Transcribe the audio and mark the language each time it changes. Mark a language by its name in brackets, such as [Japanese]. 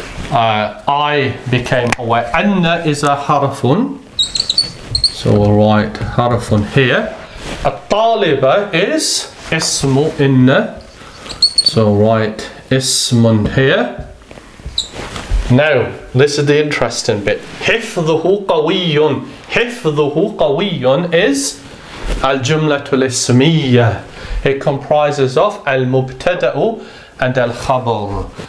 [English] I became aware. أن is a حرف, so we'll write حرف here. الطالب is اسم إن, so write اسم here. Now, this is the interesting bit. [Arabic] حفظه قوي. [English] حفظه قوي is الجملة الاسمية. It comprises of المبتدأ and الخبر.